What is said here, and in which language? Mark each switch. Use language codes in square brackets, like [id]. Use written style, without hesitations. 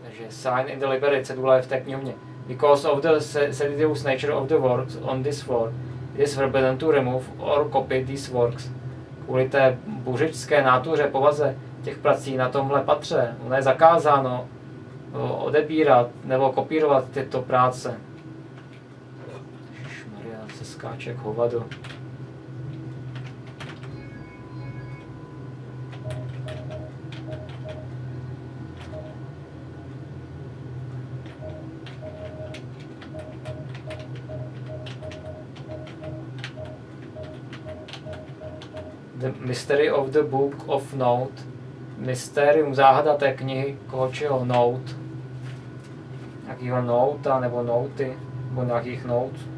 [en] Sign in the library, said Ulai of Technumni. Because of the seditious nature of the works on this floor, it is forbidden to remove or copy these works. [cs] Kvůli té buřičské nátuře, povaze těch prací na tomhle patře, ono je zakázáno odebírat nebo kopírovat tyto práce. Ježišmarja, se skáče jak hovado. [en] The mystery of the book of note. [cs] Mysterium, záhada té knihy, koho čeho note. Jakýho nota, nebo noty, nebo nějakých not.